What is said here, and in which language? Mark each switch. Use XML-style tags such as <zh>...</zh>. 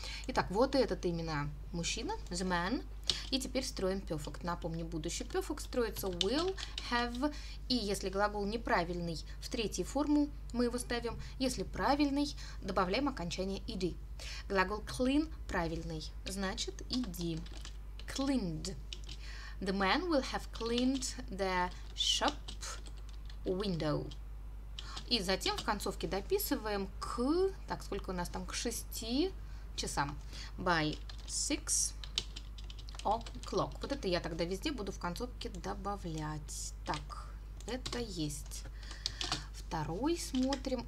<ru>Итак, вот этот именно мужчина,</ru> <en>the man.</en> <ru>И теперь строим perfect. Напомню, будущий perfect строится</ru> <en>will, have.</en> <ru>И если глагол неправильный, в третью форму мы его ставим. Если правильный, добавляем окончание ed. Глагол clean правильный, значит ed.</ru> <en>Cleaned. The man will have cleaned the shop window.</en> <ru>И затем в концовке дописываем к... Так, сколько у нас там? К 6 часам.</ru> <en>By 6 o'clock.</en> <ru>Вот это я тогда везде буду в концовке добавлять. Так, это есть. Второй смотрим.</ru>